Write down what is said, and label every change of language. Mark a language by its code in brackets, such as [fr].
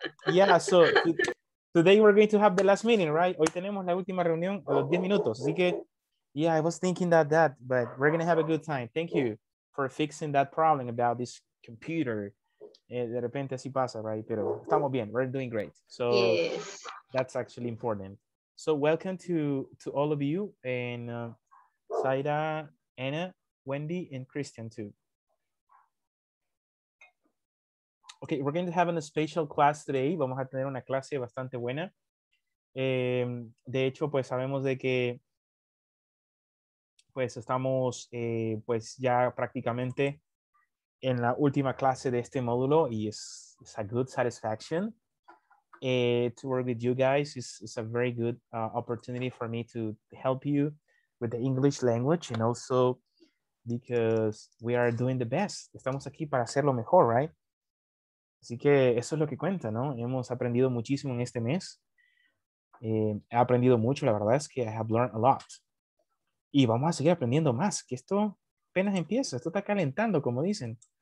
[en] Yeah, so today we're going to have the last meeting, right? [es] Hoy tenemos la última reunión a los 10 minutos. Así que, [en] yeah, I was thinking that, but we're going to have a good time. Thank you for fixing that problem about this computer. [es] De repente así pasa, [en] right? [es] Pero estamos bien, [en] we're doing great. So yes, that's actually important. So welcome to all of you, and Zaira, Anna, Wendy, and Christian too. Okay, we're going to have a special class today. [es] Vamos a tener una clase bastante buena. De hecho, pues sabemos de que pues estamos pues ya prácticamente en la última clase de este módulo, y es [en] a good satisfaction to work with you guys. It's a very good opportunity for me to help you with the English language, and also because we are doing the best. [es] Estamos aquí para hacer lo mejor, [en] right? [es] Así que eso es lo que cuenta, ¿no? Hemos aprendido muchísimo en este mes. He aprendido mucho, la verdad es que [en] I have learned a lot. [es] Y vamos a seguir aprendiendo más, que esto apenas empieza, esto está calentando, como dicen.